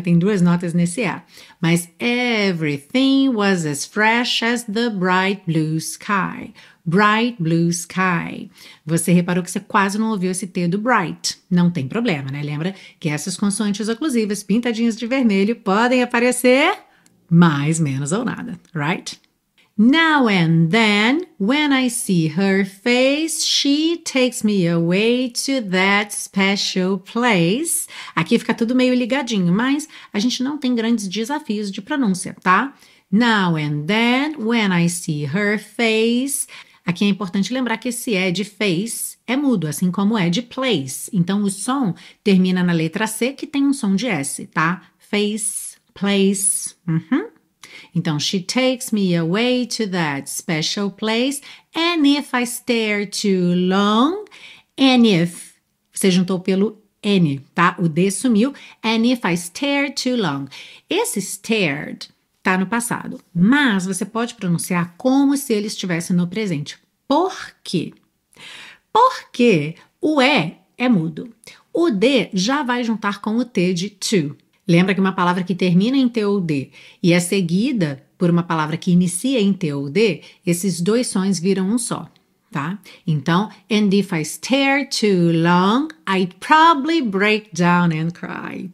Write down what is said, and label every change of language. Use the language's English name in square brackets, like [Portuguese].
[Portuguese] Tem duas notas nesse A, mas [English] everything was as fresh as the bright blue sky. Bright blue sky. [Portuguese] Você reparou que você quase não ouviu esse T do bright. Não tem problema, né? Lembra que essas consoantes oclusivas pintadinhas de vermelho podem aparecer mais, menos ou nada, right? [English] Now and then, when I see her face, she takes me away to that special place. [Portuguese] Aqui fica tudo meio ligadinho, mas a gente não tem grandes desafios de pronúncia, tá? [English] Now and then, when I see her face... [Portuguese] Aqui é importante lembrar que esse é de face é mudo, assim como é de place. Então, o som termina na letra C, que tem um som de S, tá? [English] Face, place. Uhum. Então, she takes me away to that special place. And if I stare too long, and if... [Portuguese] Você juntou pelo N, tá? O D sumiu. [English] And if I stare too long. [Portuguese] Esse stared... Tá no passado, mas você pode pronunciar como se ele estivesse no presente. Por quê? Porque o E é mudo. O D já vai juntar com o T de to. Lembra que uma palavra que termina em T ou D e é seguida por uma palavra que inicia em T ou D, esses dois sons viram um só, tá? [English] Então, and if I stare too long, I'd probably break down and cry.